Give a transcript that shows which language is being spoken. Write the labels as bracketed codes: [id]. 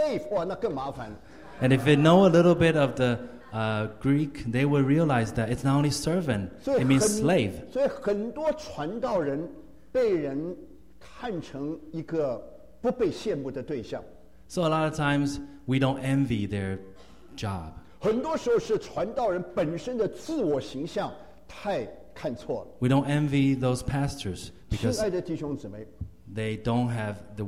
[en] And if they know a little bit of the Greek, they will realize that it's not only servant, it means slave. [zh] 所以很多传道人被人看成一个不被羡慕的对象。 [en] So a lot of times, we don't envy their job. [zh] 很多时候是传道人本身的自我形象太看错了。 [en] We don't envy those pastors because they don't have the worthiness.